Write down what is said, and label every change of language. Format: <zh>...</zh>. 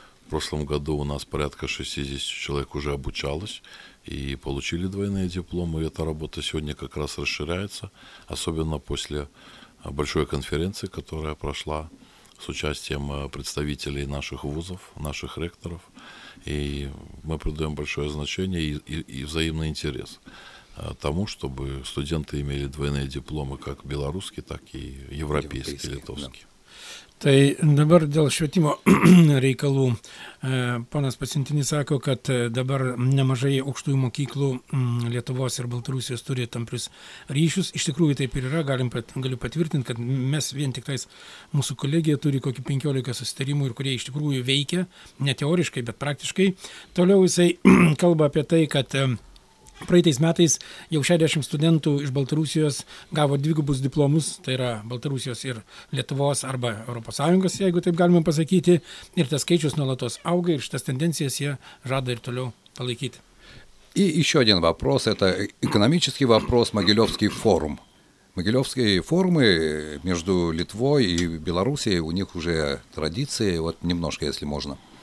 <ru>В прошлом году у нас порядка 60 человек уже обучалось, и получили двойные дипломы, и эта работа сегодня как раз расширяется, особенно после большой конференции, которая прошла с участием представителей наших вузов, наших ректоров, и мы придаем большое значение и взаимный интерес тому, чтобы студенты имели двойные дипломы как белорусские, так и европейские, литовские. Да.</ru> <lt>Tai dabar dėl švietimo reikalų, ponas pasiuntinis sako, kad dabar nemažai aukštųjų mokyklų Lietuvos ir Baltarusijos turi tamprius ryšius. Iš tikrųjų taip ir yra, galiu patvirtinti, kad mes vien tik tais mūsų kolegija turi kokį 15 susitarimų ir kurie iš tikrųjų veikia, ne teoriškai, bet praktiškai. Toliau jisai kalba apie tai, kad... Praeitais metais jau 60 studentų iš Baltarusijos gavo dvigubus diplomus, tai yra Baltarusijos ir Lietuvos arba Europos Sąjungos, jeigu taip galima pasakyti, ir tas skaičius nuolatos auga ir šitas tendencijas jie žada ir toliau palaikyti.</lt> <ru>И еще один вопрос, это экономический вопрос, Могилевский форум. Могилевские форумы между Литвой и Белоруссией, у них уже традиции, вот немножко, если можно.</ru>